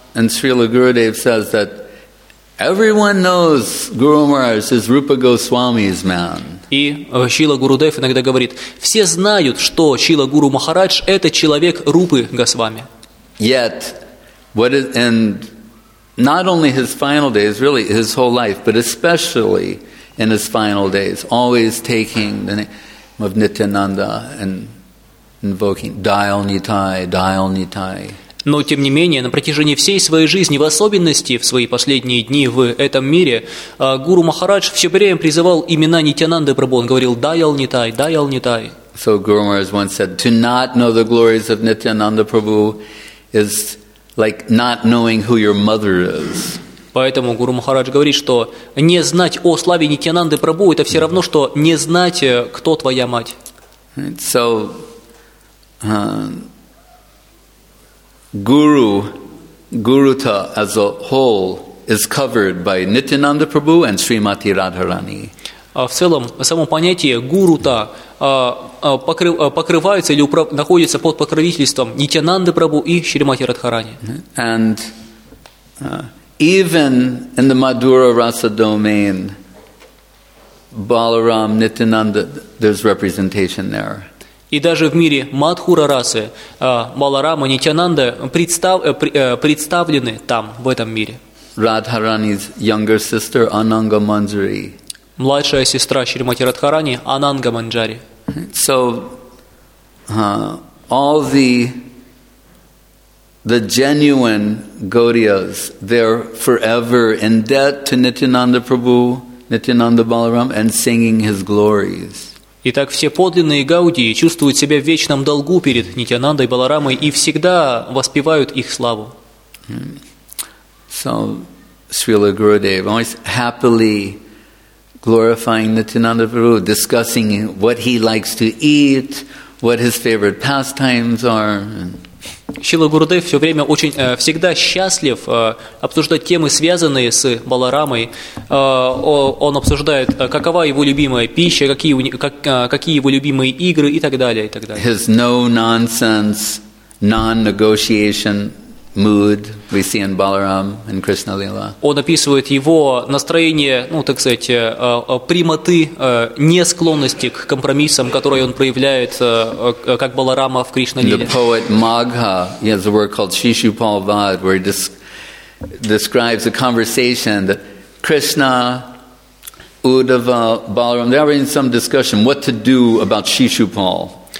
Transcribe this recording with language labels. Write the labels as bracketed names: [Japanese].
[English] And Srila Gurudev says that everyone knows Guru Maharaj is Rupa Goswami's man. [Russian] И Шрила Гурудев иногда говорит, все знают, что Шрила Гуру Махарадж – это человек Рупы Госвами. [English] Yet, what is, and not only his final days, really his whole life, but especially in his final days, always taking the name of Nityananda and invoking dial nitai, dial nitai. [Russian] Но тем не менее, на протяжении всей своей жизни, в особенности в свои последние дни в этом мире, Гуру Махарадж все время призывал имена Нитянанды Прабху. Он говорил: "Даял нитай, даял нитай". [English] So Guru Maharaj once said, "To not know the glories of Nityananda Prabhu is like not knowing who your mother is". [Russian] Поэтому Гуру Махарадж говорит, что не знать о славе Нитянанды Прабху — это все равно, что не знать, кто твоя мать. [English] So, Guru, Guruta as a whole is covered by Nityananda Prabhu and Srimati Radharani. [Russian] В целом, само понятие Гурута покрывается или находится под покровительством Нитянанды Прабху и Шримати Радхарани. [English] And even in the Madhura Rasa domain, Balaram, Nityananda, there's representation there. [Russian] И даже в мире Мадхура расы Баларама, Нитянанда представлены там, в этом мире. [English] Radharani's younger sister, Ananga Manjari. [Russian] Младшая сестра Шримати Радхарани, Ананга Манджари. [English] So, all the genuine Gaudiyas, they're forever in debt to Nityananda Prabhu, Nityananda Balaram, and singing his glories. [Russian] Итак, все подлинные гаудии чувствуют себя в вечном долгу перед Нитянандой Баларамой и всегда воспевают их славу. [English] So, Srila Gurudev, always happily glorifying Nityananda Prabhu, discussing what he likes to eat, what his favorite pastimes are. [Russian] Шрила Гурудев все время очень всегда счастлив обсуждать темы, связанные с Баларамой. Он обсуждает, какова его любимая пища, какие его любимые игры и так далее, и так далее. [English] His no-nonsense, non-negotiation mood we see in Balaram and Krishna Lila. [Russian] Он описывает его настроение, ну, так сказать, прямоты, несклонности к компромиссам, которые он проявляет, как Баларама в Кришна Лиле. [English] The poet Magha, he has a work called Shishupal Vad, where he describes a conversation that Krishna, Uddhava, Balaram, they're having some discussion what to do about Shishupal.